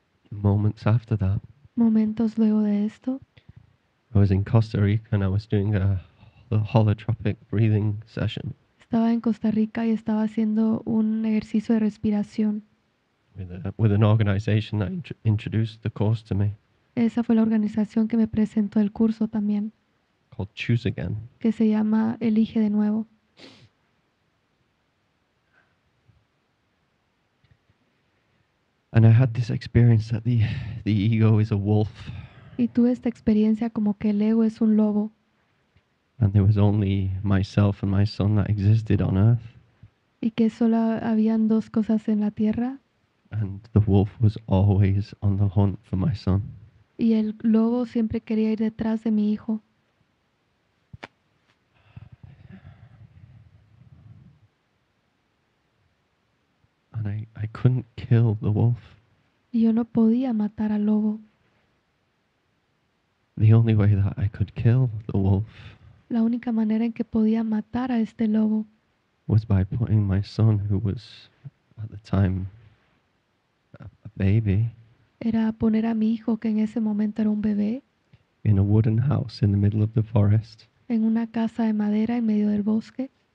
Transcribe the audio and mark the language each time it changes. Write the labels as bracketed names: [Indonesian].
[English] Moments after that. [Spanish] Momentos luego de esto. [English] I was in Costa Rica and I was doing a holotropic breathing session. [Spanish] Estaba en Costa Rica y estaba haciendo un ejercicio de respiración. [English] With an organization that introduced the course to me. [Spanish] Esa fue la organización que me presentó el curso también. [English] Called Choose Again. [Spanish] Que se llama Elige de Nuevo. [English] And I had this experience that the ego is a wolf. [Spanish] Y tuve esta experiencia como que el ego es un lobo. [English] And there was only myself and my son that existed on earth. [Spanish] Y que solo habían dos cosas en la tierra. [English] And the wolf was always on the hunt for my son. [Spanish] Y el lobo siempre quería ir detrás de mi hijo. [English] And I couldn't kill the wolf. [Spanish] Y yo no podía matar al lobo. [English] The only way that I could kill the wolf. [Spanish] La única manera en que podía matar a este lobo [English] was by putting my son, who was at the time a baby, [Spanish] era poner a mi hijo, que en ese momento era un bebé, [English] in a wooden house in the middle of the forest, [Spanish] en una casa de madera en medio del bosque.